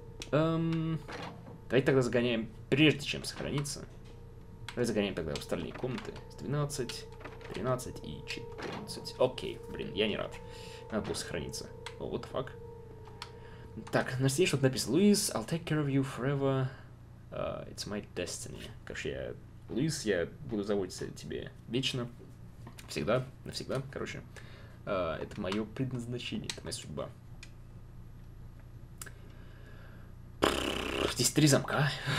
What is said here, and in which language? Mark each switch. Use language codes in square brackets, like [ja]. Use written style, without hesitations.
[ru] Давайте тогда загоняем, прежде чем сохраниться. Давайте загоняем тогда в остальные комнаты. 12, 13 и 14. Окей, блин, я не рад. Надо было сохраниться. О, [en] what the fuck? [ru] Так, на стене что-то написано. [en] Луис, I'll take care of you forever. It's my destiny. [ru] Короче, я Луис, я буду заботиться о тебе вечно. Всегда, навсегда, короче. Это мое предназначение, это моя судьба. Здесь 3 замка.